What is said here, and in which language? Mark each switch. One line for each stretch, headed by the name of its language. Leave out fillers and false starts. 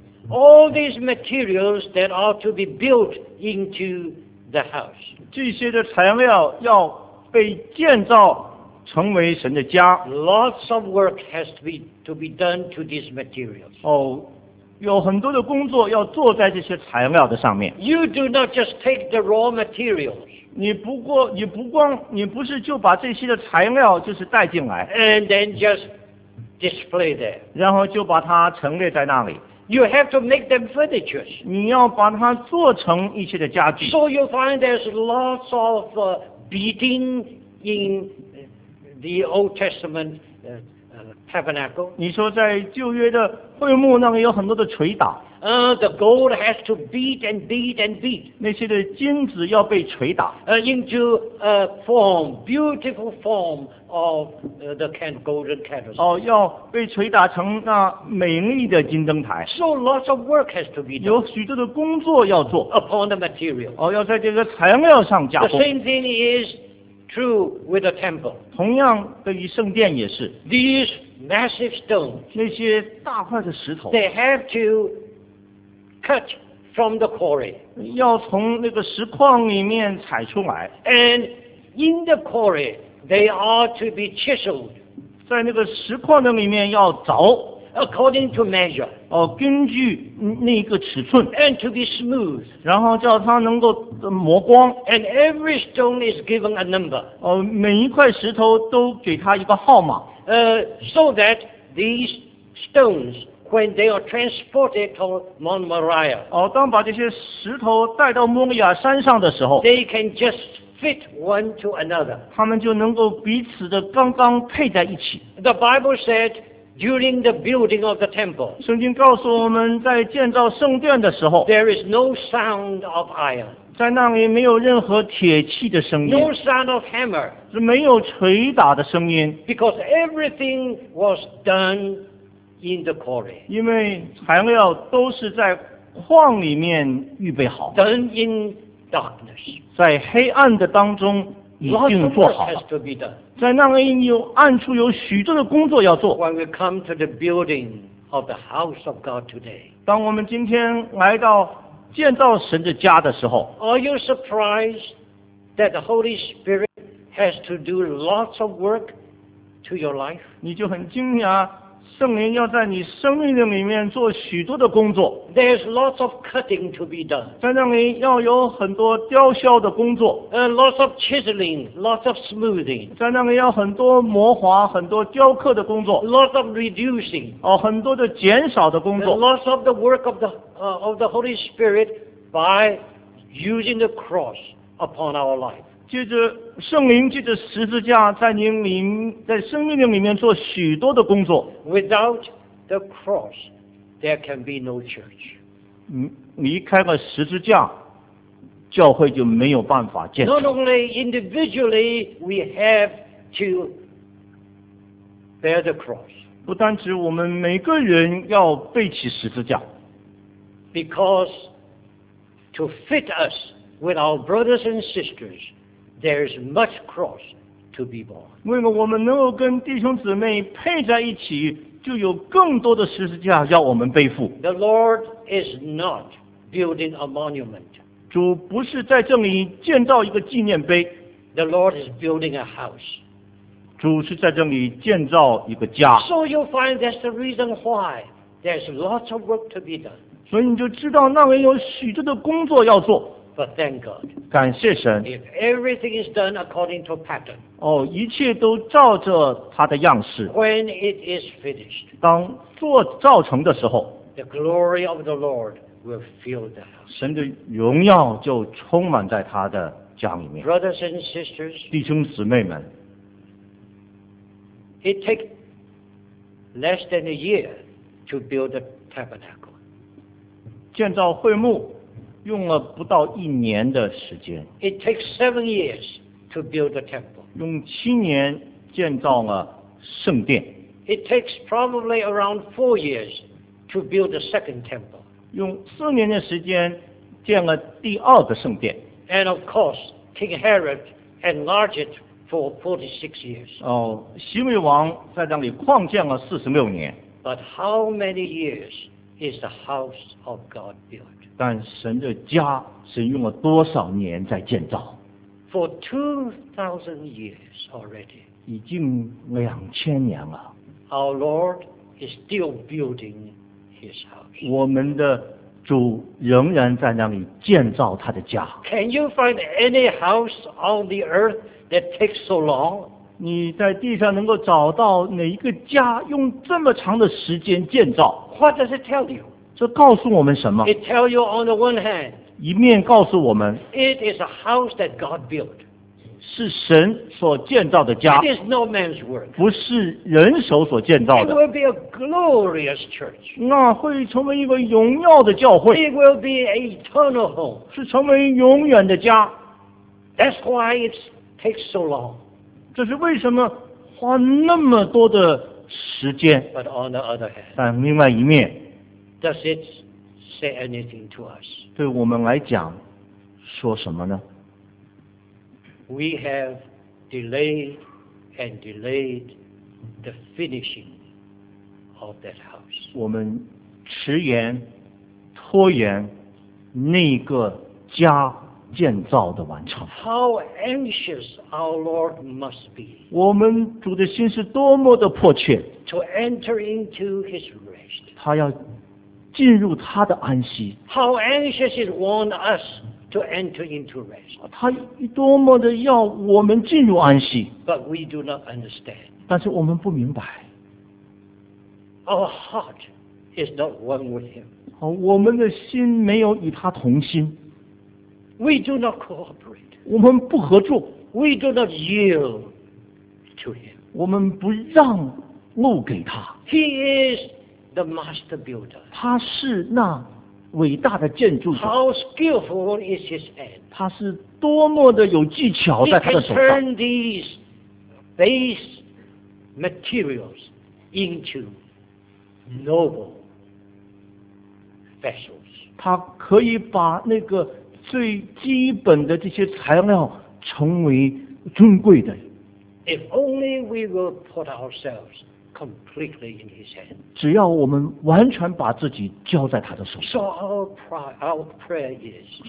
English: All these materials that are to be built into the house.
Chinese: 这些的材料要被建造成为神的家。
English: Lots of work has to be done to these materials.
Chinese: 有很多的工作要做在这些材料的上面。
English: You do not just take the raw materials.
Chinese: 你不是就把这些的材料就是带进来。
English: And then just display there.
Chinese: 然后就把它陈列在那里。
English: You have to make them furnitures.
Chinese: 你要把它做成一些的家具。
English: So you find there's lots of beading in the Old Testament tabernacle.
Chinese: 你说在旧约的会幕那里有很多的锤打。
English: The gold has to beat and beat and beat.
Chinese: 那些的金子要被锤打。
English: Into a form, beautiful form of the golden candlestick.
Chinese: 要被锤打成那美丽的金灯台。
English: So lots of work has to be done.
Chinese: 有许多的工作要做。
English: Upon the material.
Chinese: 要在这个材料上加工。
English: The same thing is true with the temple.
Chinese: 同样对于圣殿也是。
English: These massive stones.
Chinese: 那些大块的石头。
English: They have to cut from the quarry.
Chinese: 要从那个石矿里面采出来。
English: And in the quarry, they are to be chiseled.
Chinese: 在那个石矿的里面要凿。
English: According to measure.
Chinese: 根据那个尺寸。
English: And to be smooth.
Chinese: 然后叫它能够磨光。
English: And every stone is given a number.
Chinese: 每一块石头都给它一个号码。
English: So that these stones when they are transported to Mount Moriah.
Chinese: 当把这些石头带到摩利亚山上的时候。
English: They can just fit one to another.
Chinese: 他们就能够彼此的刚刚配在一起。
English: The Bible said during the building of the temple.
Chinese: 圣经告诉我们，在建造圣殿的时候
English: ，there is no sound of iron.
Chinese: 在那里没有任何铁器的声音
English: ，no sound of hammer.
Chinese: 是没有锤打的声音
English: ，because everything was done in the quarry.
Chinese: 因为材料都是在矿里面预备好
English: ，done in darkness.
Chinese: 在黑暗的当中。已经做好
English: 了 Lots of work has to be done.
Chinese: 在那里有暗处有许多的工作要做
English: When we come to the building of the house of God today,
Chinese: 当我们今天来到建造神的家的时候
English: Are you surprised that the Holy Spirit has to do lots of work to your life?
Chinese: 你就很惊讶圣灵要在你生命的里面做许多的工作
English: There's lots of cutting to be done
Chinese: 在那里要有很多雕削的工作
English: Lots of chiseling, lots of smoothing
Chinese: 在那里要很多磨划很多雕刻的工作
English: Lots of reducing
Chinese: 很多的减少的工作
English: Lots of the work of the Holy Spirit by using the cross upon our life
Chinese: 借着圣灵借着十字架在您灵在生命的里面做许多的工作
English: Without the cross there can be no church
Chinese: 离开了十字架教会就没有办法建成
English: Not only individually we have to bear the cross
Chinese: 不单指我们每个人要背起十字架
English: Because to fit us with our brothers and sistersThere is much cross to be borne.
Chinese: 为了我们能够跟弟兄姊妹配在一起，就有更多的十字架要我们背负。
English: The Lord is not building a monument.
Chinese: 主不是在这里建造一个纪念碑。
English: The Lord is building a house.
Chinese: 主是在这里建造一个家。
English: So you'll find that's the reason why there's lots of work to be done.
Chinese: 所以你就知道那里有许多的工作要做。
English: But thank God.
Chinese: 感谢神。
English: If everything is done according to pattern.
Chinese: 一切都照着他的样式。
English: When it is finished.
Chinese: 当做造成的时候。
English: The glory of the Lord will fill the house.
Chinese: 神的荣耀就充满在他的家里面。
English: Brothers and sisters.
Chinese: 弟兄姊妹们。
English: It takes less than a year to build a tabernacle.
Chinese: 建造会幕。用了不到一年的时间。
English: It takes 7 years to build a temple.
Chinese: 用7年建造了圣殿。
English: It takes probably around 4 years to build a second temple.
Chinese: 用4年的时间建了第二个圣殿。
English: And of course, King Herod enlarged it for 46 years.
Chinese: 西美王在那里扩建了46年。
English: But how many years is the house of God built?
Chinese: 但神的家神用了多少年在建造
English: For 2,000 years already
Chinese: 已经2000年了
English: Our Lord is still building his house
Chinese: 我们的主仍然在那里建造他的家
English: Can you find any house on the earth that takes so long?
Chinese: 你在地上能够找到哪一个家用这么长的时间建造
English: What does it tell you?
Chinese: 这告诉我们什么
English: It tell you on the one hand,
Chinese: 一面告诉我们
English: It is a house that God built.
Chinese: 是神所建造的家
English: It is no man's work.
Chinese: 不是人手所建造的
English: It will be a glorious church.
Chinese: 那会成为一个荣耀的教会
English: It will be an eternal home.
Chinese: 是成为永远的家
English: That's why it takes so long.
Chinese: 这是为什么花那么多的时间
English: But on the other hand,
Chinese: 但另外一面
English: Does it say anything to us?
Chinese: 对我们来讲，说什么呢？
English: We have delayed and delayed the finishing of that house.
Chinese: 我们迟延、拖延那个家建造的完成。
English: How anxious our Lord must be!
Chinese: 我们主的心是多么的迫切。
English: To enter into His rest.
Chinese: 他要进入他的安息。
English: How anxious he wants us to enter into rest.
Chinese: 他多么的要我们进入安息。
English: But we do not understand.
Chinese: 但是我们不明白。
English: Our heart is not one with him.
Chinese: 我们的心没有与他同心。
English: We do not cooperate.
Chinese: 我们不合作。
English: We do not yield to him.
Chinese: 我们不让木给他。
English: He is the master builder.
Chinese: 他是那伟大的建筑者。
English: How skillful is his hand?
Chinese: 他是多么的有技巧在他的手上。
English: He can turn these base materials into noble vessels.
Chinese: 他可以把那个最基本的这些材料成为尊贵的。
English: If only we will put ourselves completely in His hand.
Chinese: 只要我们完全把自己交在他的手上。
English: So our prayer is.